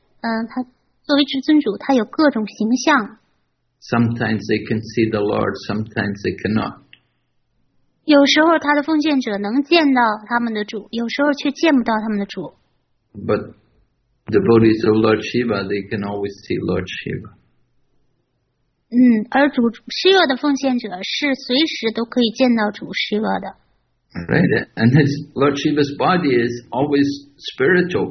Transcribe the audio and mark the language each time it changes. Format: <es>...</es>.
<zh>他作为至尊主，他有各种形象。</zh> <en>Sometimes they can see the Lord, sometimes they cannot.</en> <zh>有时候他的奉献者能见到他们的主，有时候却见不到他们的主。</zh> <en>But devotees of Lord Shiva, they can always see Lord Shiva.</en> <zh>而主施恶的奉献者是随时都可以见到主施恶的。</zh> <en>Right, and his Lord Shiva's body is always spiritual.</en>